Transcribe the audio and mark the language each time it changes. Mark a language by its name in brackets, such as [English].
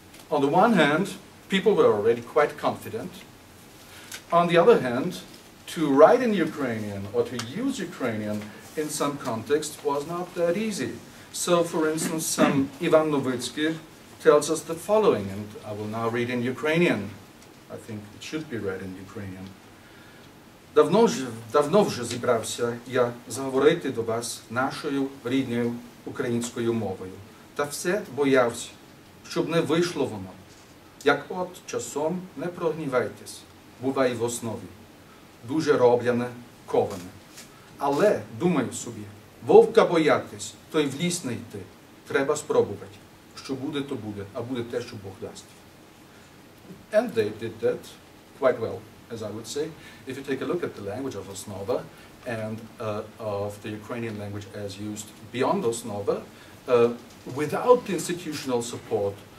[English] On the one hand, people were already quite confident. On the other hand, to write in Ukrainian or to use Ukrainian in some context was not that easy. So, for instance, some Ivan Novitsky tells us the following, and I will now read in Ukrainian. I think it should be read in Ukrainian. [Ukrainian] Давно вже зібрався я заговорити до вас нашою рідною українською мовою. Та все боявся, щоб не вийшло воно. Як от часом не прогнівайтесь, буває в основі. Дуже робляне, коване. Але, думаю собі, вовка боятись, то й в ліс не йти. Треба спробувати. Що буде, то буде, а буде те, що Бог дасть. [English] And they did that quite well, as I would say. If you take a look at the language of Osnova and of the Ukrainian language as used beyond Osnova, without institutional support,